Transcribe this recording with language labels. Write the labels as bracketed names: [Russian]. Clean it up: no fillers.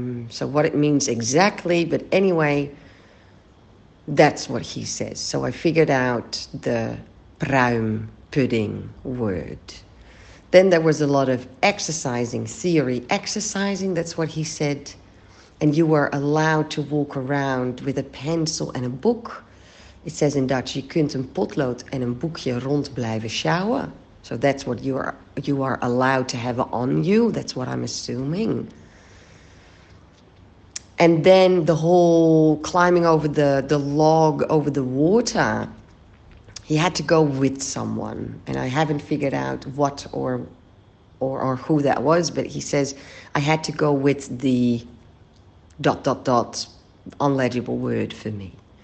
[English] So what it means exactly, but anyway, that's what he says. So I figured out the pruim pudding word. Then there was a lot of exercising, theory exercising, that's what he said. And you were allowed to walk around with a pencil and a book. It says in Dutch, [Dutch] je kunt een potlood en een boekje rond blijven sjouwen. [English] So that's what you are allowed to have on you. That's what I'm assuming. And then the whole climbing over the log over the water, he had to go with someone. And I haven't figured out what or who that was, but he says, I had to go with the dot dot dot unlegible word for me.